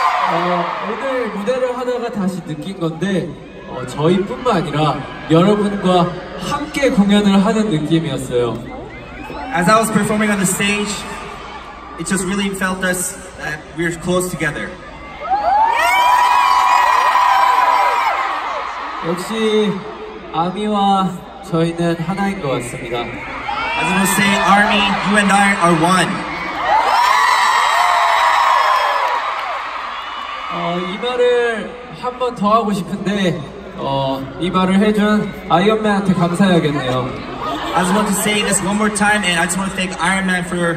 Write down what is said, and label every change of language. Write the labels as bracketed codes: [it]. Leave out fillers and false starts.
[ko] 오늘 무대를 하다가 다시 느낀 건데 저희뿐만 아니라 여러분과 함께 공연을 하는 느낌이었어요. [en] As I was performing on the stage, it just really felt us that we were close together. [ko] 역시 아미와 저희는 하나인 것 같습니다. [en] As I will say, Army, you and I are one. [ko] 이 말을 한 번 더 하고 싶은데 이 말을 해준 아이언맨한테 감사해야겠네요. [en] I just want to say this one more time and I just want to thank Iron Man for...